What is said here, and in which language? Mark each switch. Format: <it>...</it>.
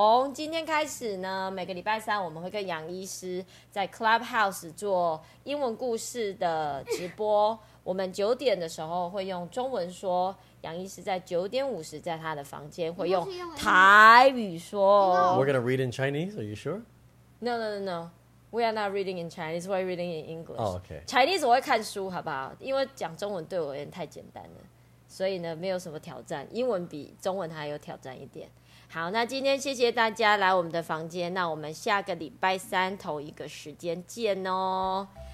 <zh>有很多新朋友，那新朋友跟大家介绍一下，从今天开始呢， 每个礼拜三我们会跟杨医师在Clubhouse做英文故事的直播， 我们9点的时候会用中文说， 杨医师在9点50在他的房间会用台语说。</zh> <en>We're gonna read in Chinese, are you sure? No. We are not reading in Chinese, we're reading in English. Oh, okay.</en> <zh>Chinese我会看书好不好？因为讲中文对我有点太简单了。所以呢，没有什么挑战，英文比中文还有挑战一点。好，那今天谢谢大家来我们的房间，那我们下个礼拜三同一个时间见哦。</zh>